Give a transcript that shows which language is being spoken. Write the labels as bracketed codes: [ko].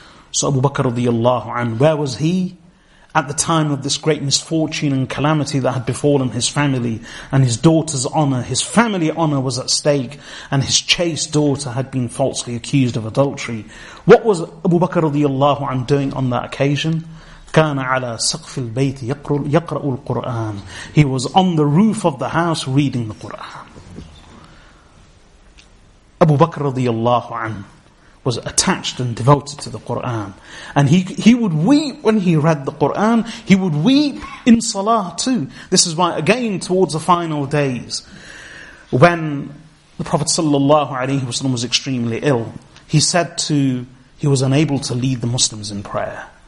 [en] So Abu Bakr radiyallahu anhu, where was he? At the time of this great misfortune and calamity that had befallen his family, and his daughter's honour, his family honour was at stake, and his chaste daughter had been falsely accused of adultery. What was Abu Bakr radiyallahu anhu doing on that occasion? [ar] كان على سقف البيت يقرأ القرآن. [en] He was on the roof of the house reading the Qur'an. Abu Bakr radiyallahu anhu was attached and devoted to the Qur'an. And he would weep when he read the Qur'an. He would weep in salah too. This is why again towards the final days, when the Prophet sallallahu alayhi wasallam was extremely ill, he was unable to lead the Muslims in prayer.